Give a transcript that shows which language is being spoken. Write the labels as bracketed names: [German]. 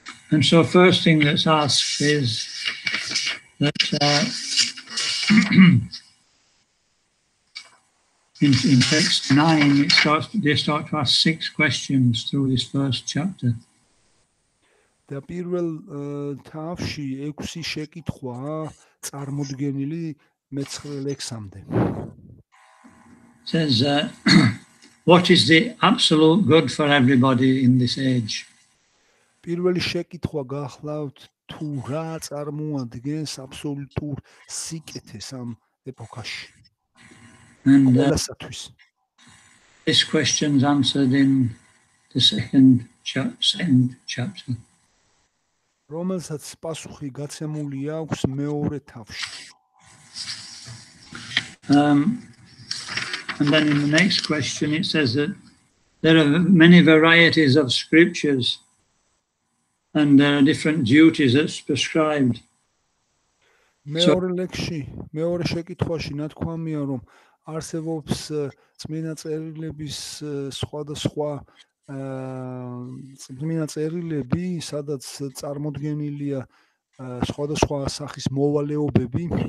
[English] And so first thing that's asked is that in text 9, they start to ask six questions through this first chapter. [Georgian] და პირველ თავში 6 შეკითხვა წარმოდგენილი მეცხრე ლექსამდე. [English] Says what is the absolute good for everybody in this age? [Georgian] პირველი შეკითხვა გახლავთ თუ რა წარმოადგენს აბსოლუტურ სიკეთეს ამ ეპოქაში. [English] And [Georgian] ასათვის. [English] This question's answered in the second chapter. [Georgian] რომელსაც პასუხი გაცემული აქვს მეორე თავში. [English] And then in the next question it says that there are many varieties of scriptures and there are different duties that's prescribed. [Georgian] მეორე ლექსში, მეორე შეკითხვაში ნათქვამია, რომ არსებობს წმინდა წერილების სხვადასხვა წმინდა წერილები, სადაც წარმოდგენილია სხვადასხვა სახის მოვალეობები.